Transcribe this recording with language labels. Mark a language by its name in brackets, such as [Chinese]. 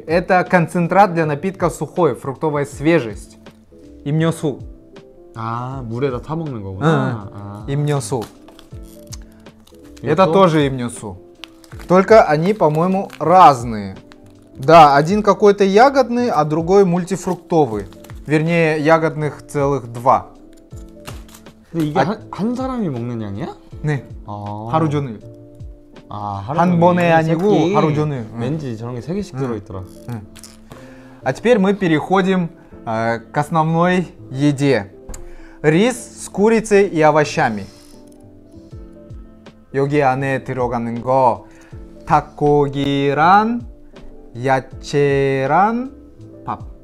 [Russian] Это концентрат для напитка сухой, фруктовая свежесть. Имнёсу. [Korean] 아, 물에다 타먹는 거구나. 임뇨수. 이것도? [Russian] Это тоже имнёсу. Только они, по-моему, разные. Да, один какой-то ягодный, а другой мультифруктовый. Вернее, ягодных целых два. [Korean] 근데 이게 한 사람이 먹는 양이야? 네. 아. 하루 종일. 아, 하루 한 번에 아니고 하루 종일. 왠지 저런 게 세 개씩 들어 있더라. [Russian] 아, теперь мы переходим к основной еде. Рис с курицей и овощами. [Korean] 여기 안에 들어가는 거 닭고기랑 야채랑 밥.